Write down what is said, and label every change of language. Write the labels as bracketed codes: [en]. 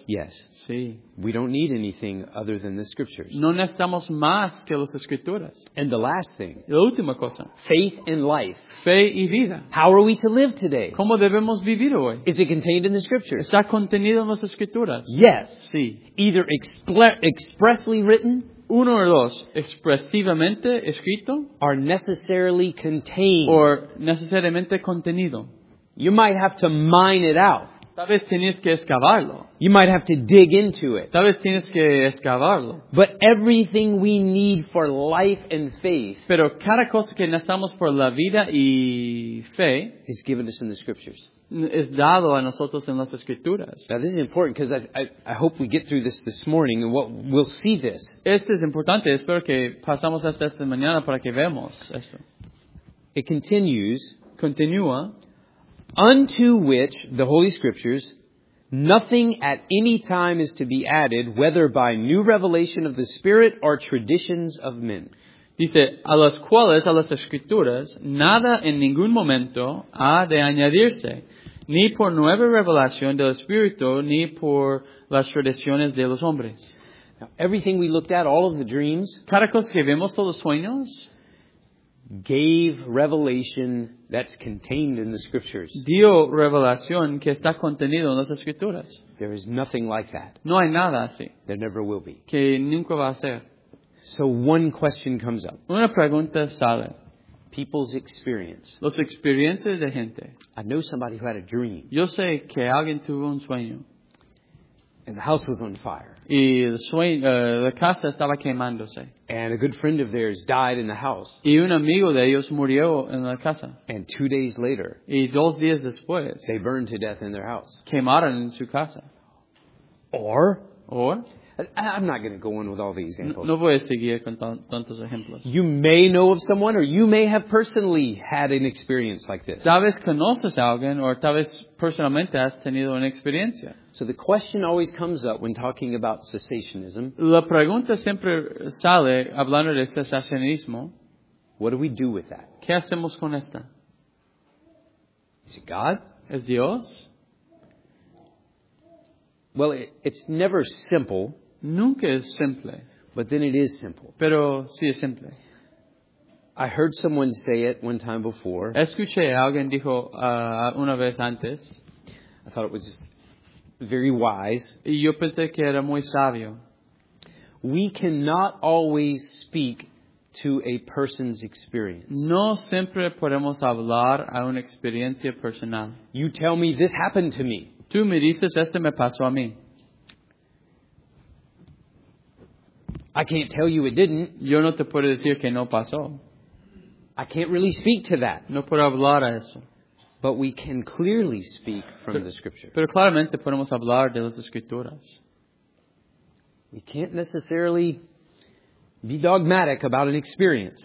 [en] Yes. [es] Sí. [en] We don't need anything other than the scriptures. [es] No necesitamos más que las escrituras. [en] And the last thing. [es] La última cosa. [en] Faith and life. [es] Fe y vida. [en] How are we to live today? [es] ¿Cómo debemos vivir hoy? [en] Is it contained in the scriptures? [es] ¿Está contenido en las escrituras? [en] Yes. [es] Sí. [en] Either expressly written. [es] Uno o dos, expresivamente escrito, [en] are necessarily contained, [es] or necesariamente contenido. [en] You might have to mine it out. [es] Tal vez tienes que excavarlo. [en] You might have to dig into it. [es] Tal vez tienes que excavarlo. [en] But everything we need for life and faith, [es] pero cada cosa que necesitamos por la vida y fe, [en] is given us in the scriptures. [es] Es dado a nosotros en las escrituras. [en] Now this is important because I hope we get through this morning and we'll see this. [es] Esto es importante. Espero que pasamos hasta esta mañana para que veamos esto. [en] It continues. [es] Continúa. [en] Unto which the Holy Scriptures, nothing at any time is to be added, whether by new revelation of the Spirit or traditions of men. [es] Dice, a las cuales, a las escrituras, nada en ningún momento ha de añadirse, ni por nueva revelación del Espíritu, ni por las tradiciones de los hombres. [en] Now, everything we looked at, all of the dreams, [es] cada cosa que vemos, todos los sueños, [en] gave revelation that's contained in the scriptures. [es] Dio revelación que está contenido en las escrituras. [en] There is nothing like that. [es] No hay nada así. [en] There never will be. [es] Que nunca va a ser. [en] So one question comes up. [es] Una pregunta sale. [en] People's experience. [es] Los experiencias de gente. [en] I know somebody who had a dream. [es] Yo sé que alguien tuvo un sueño. [en] And the house was on fire. [es] Y la casa estaba quemándose. [en] And a good friend of theirs died in the house. [es] Y un amigo de ellos murió en la casa. [en] And 2 days later. [es] Y 2 días después. [en] They burned to death in their house. [es] Quemaron en su casa. [en] Or. I'm not going to go on with all the examples. [es] No voy a seguir con tantos ejemplos. [en] You may know of someone, or you may have personally had an experience like this. [es] Tal vez conoces a alguien, o tal vez personalmente has tenido una experiencia. [en] So the question always comes up when talking about cessationism. [es] La pregunta siempre sale hablando de cesacionismo. [en] What do we do with that? [es] ¿Qué hacemos con esta? [en] Is it God? [es] ¿Es Dios? [en] Well, it's never simple. [es] Nunca es simple. [en] But then it is simple. [es] Pero sí es simple. [en] I heard someone say it one time before. [es] Escuché a alguien dijo una vez antes. [en] I thought it was just very wise. [es] Y yo pensé que era muy sabio. [en] We cannot always speak to a person's experience. [es] No siempre podemos hablar a una experiencia personal. [en] You tell me this happened to me. [es] Tú me dices esto me pasó a mí. [en] I can't tell you it didn't. [es] Yo no te puedo decir que no pasó. [en] I can't really speak to that. [es] No puedo hablar a eso. [en] But we can clearly speak from the Scripture. [es] Pero claramente podemos hablar de las Escrituras. [en] We can't necessarily be dogmatic about an experience.